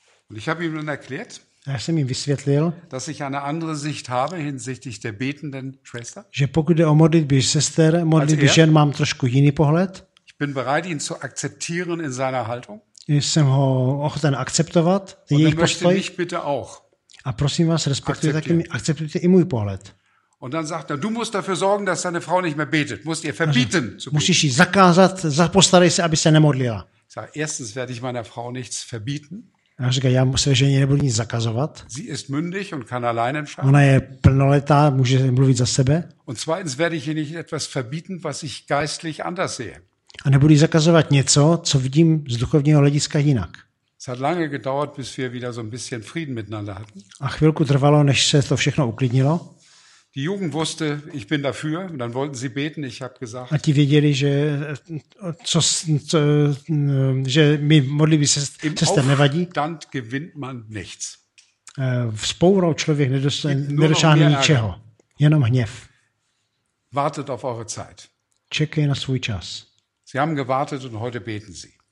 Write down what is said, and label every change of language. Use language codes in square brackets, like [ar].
[de] Und ich habe ihm dann erklärt, [cs] já jsem jim vysvětlil, [de] dass ich eine andere Sicht habe hinsichtlich der betenden Schwester. [cs] Že pokud jde o modlitby sester, modlitby žen, mám trošku jiný pohled. [de] Ich bin bereit, ihn zu akzeptieren in seiner Haltung. [cs] Jsem ho ochoten akceptovat, ten jejich postoj. [de] Bitte auch. [cs] A prosím vás, respektujte taky, akceptujte i můj pohled. [de] Und dann sagt er, du musst dafür sorgen, dass deine Frau nicht mehr betet. Musst ihr verbieten. [cs] Musíš jí zakázat, postarej se, aby se nemodlila. [de] Sag, erstens werde ich meiner Frau nichts verbieten. [cs] A říká, já své ženě nebudu nic zakazovat. [de] Sie ist mündig und kann allein entscheiden. [cs] Ona je plnoletá, může mluvit za sebe. [de] Und zweitens werde ich ihr nicht etwas verbieten, was ich geistlich anders sehe. [cs] A nebudu zakazovat něco, co vidím z duchovního hlediska jinak. [de] Es hat lange gedauert, bis wir wieder so ein bisschen Frieden miteinander hatten. [cs] A chvilku trvalo, než se to všechno uklidnilo. [de] Die Jugend wusste, ich bin dafür, und dann wollten sie beten, ich habe gesagt. [cs] A ti věděli, že mi modlitby se nevadí. [de] Im Aufstand gewinnt man nichts. [cs] Vzpourou člověk nedosáhne ničeho, jenom hněv. [de] Wartet auf eure Zeit. [cs] Čekej na svůj čas. [de] Sie haben gewartet und heute beten sie.